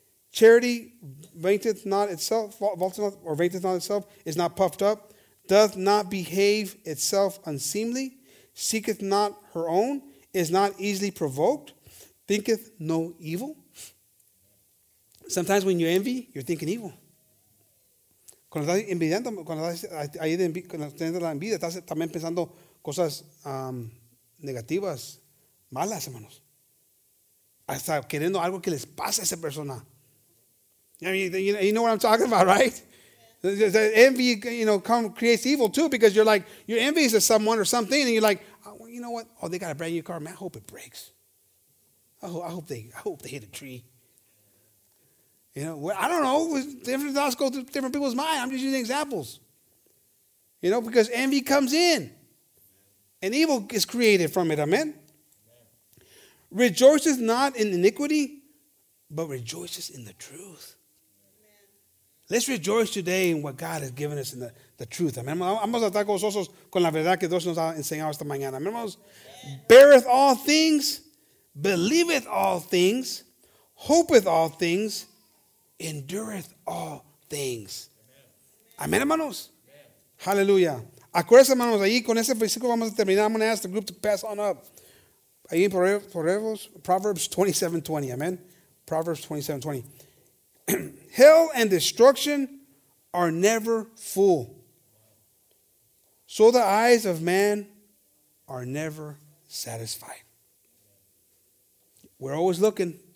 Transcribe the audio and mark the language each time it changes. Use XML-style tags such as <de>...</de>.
<en>Charity vainteth not itself, vainteth not itself, is not puffed up. Doth not behave itself unseemly, seeketh not her own, is not easily provoked, thinketh no evil. Sometimes when you envy, you're thinking evil.</en> <es>Cuando estás envidiando, cuando estás ahí teniendo la envidia, estás también pensando cosas negativas, malas, hermanos. Hasta queriendo algo que les pase a esa persona.</es> <en>I mean, you know what I'm talking about, right? The envy, you know, creates evil too, because you're like, you're envious of someone or something, and you're like, oh, well, you know what? Oh, they got a brand new car, man. I hope it breaks. I hope they hit a tree. You know, well, I don't know. Different thoughts go through different people's mind. I'm just using examples. You know, because envy comes in, and evil is created from it. Amen. Rejoices not in iniquity, but rejoices in the truth. Let's rejoice today in what God has given us, in the truth. Amen.</en> <es>Vamos a estar gozosos con la verdad que Dios nos ha enseñado esta mañana.</es> <en>Amen. Beareth all things, believeth all things, hopeth all things, endureth all things. Amen, hermanos. Hallelujah.</en> <es>Acuérdense, hermanos, ahí con ese versículo vamos a terminar.</es> <en>I'm going to ask the group to pass on up.</en> <es>Ahí en Proverbs 27:20. Amen. Proverbs 27:20.</es> <en>Hell and destruction are never full. So the eyes of man are never satisfied. We're always looking.</en>